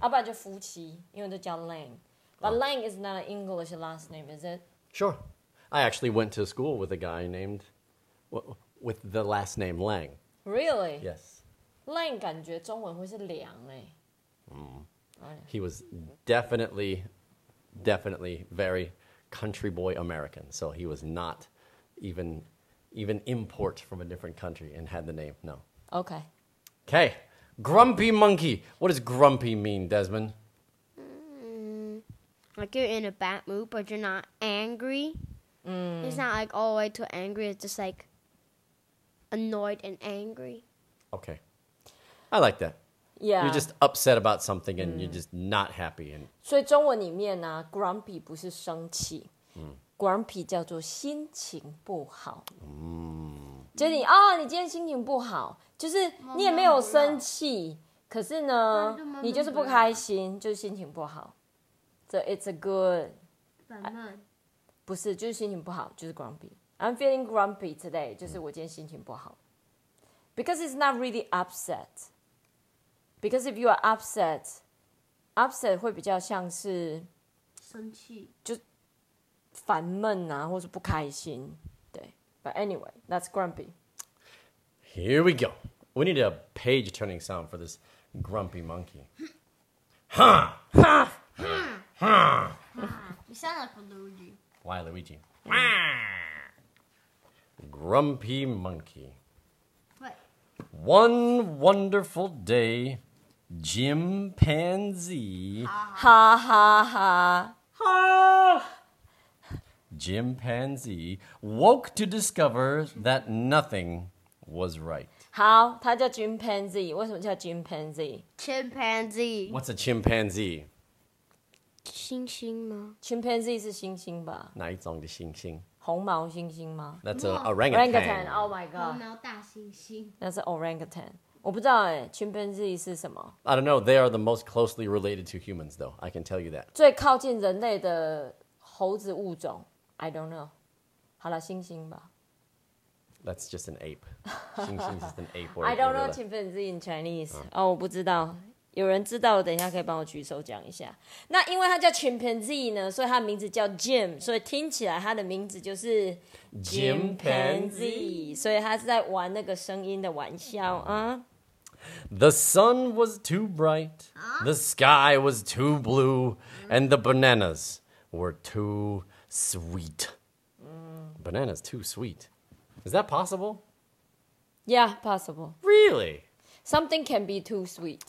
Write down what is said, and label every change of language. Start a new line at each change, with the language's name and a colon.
Chinese: 要不然就夫妻, 因为都叫 Lang.
English: But Lang is not an English last name, is it? Sure. I actually went to school with a guy named, with the last name Lang. Really? Yes.
Chinese: Lang感觉中文会是梁诶.
English: He was definitely... Definitely very country boy American. So he was not even import from a different country and had the name. No. Okay. Okay. Grumpy Monkey. What does grumpy mean, Desmond? Like you're in a bad mood, but you're not angry. Mm. It's not like all the way to angry. It's just like annoyed and angry. Okay. I like that. Yeah. You're just upset about something and you're just not happy. And
Chinese: 所以中文里面啊, grumpy 不是生气, grumpy 叫做心情不好。就是你今天心情不好, 就是你也没有生气, 可是呢, 你就是不开心, 就是心情不好。
English: So it's a good...
Chinese: 不是, 就是心情不好, 就是grumpy.
English: I'm feeling grumpy today,
Chinese: 就是我今天心情不好。
English: Because it's not really upset. Because if you are upset, upset
Chinese: 会比较像是生气, 就烦闷啊, 或是不开心, 对,
English: but anyway, that's grumpy. Here we go. We need a page turning sound for this grumpy monkey. Huh? Huh? Huh? Huh? You sound like a Luigi. Why Luigi? Grumpy monkey. What? One wonderful day. Chimpanzee. Ha ha ha. Ha! Chimpanzee woke to discover that nothing was right.
Chinese: 好, 他叫chimpanzee. 为什么叫chimpanzee?
English: Chimpanzee. What's a chimpanzee?
Chinese: 猩猩吗? Chimpanzee是猩猩吧? 哪一种的猩猩? 红毛猩猩吗?
English: That's an orangutan. Orangutan, oh my god.
Chinese: 红毛大猩猩.
English: That's an orangutan.
Chinese: 我不知道欸, chimpanzee是什么?
English: I don't know. They are the most closely related to humans, though. I can tell you that.
Chinese: 最靠近人类的猴子物种.
English: I don't know.
Chinese: 好啦,猩猩吧.
English: That's just an ape. 猩猩 is just an ape. I don't know chimpanzee in Chinese.
Chinese: 哦,我不知道. 有人知道，等一下可以帮我举手讲一下。那因为他叫 chimpanzee 呢，所以他的名字叫 Jim， 所以听起来他的名字就是
English: chimpanzee，
Chinese: 所以他是在玩那个声音的玩笑啊。
English: The sun was too bright, the sky was too blue, and the bananas were too sweet. Bananas too sweet. Is that possible? Yeah, possible. Really? Something can be too sweet.